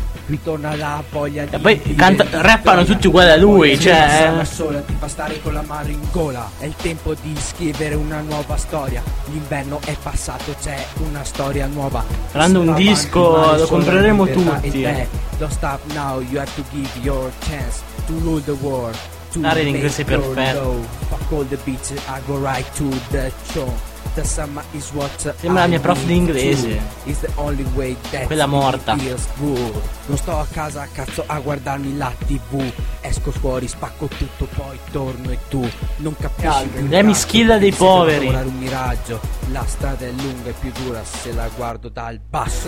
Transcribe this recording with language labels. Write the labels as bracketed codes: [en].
[it] Qui torna la voglia di... E poi rappano tutti uguali a lui, cioè... Sola, ti fa stare con la mano in gola. È il tempo di scrivere una nuova storia. L'inverno è passato, c'è una storia nuova. Faranno un disco, lo compreremo tutti. [en] Don't stop now, you have to give your chance to rule the world. [it] L'inglese è perfetto. [en] Fuck all the beats, I go right to the show. The summer is what [it] sembra la mia prof di inglese. Quella morta. Non sto a casa a cazzo a guardarmi la TV. Esco fuori, spacco tutto, poi torno e tu non capisci. Lei mi schilla dei poveri. Un miraggio. La strada è lunga e più dura se la guardo dal basso.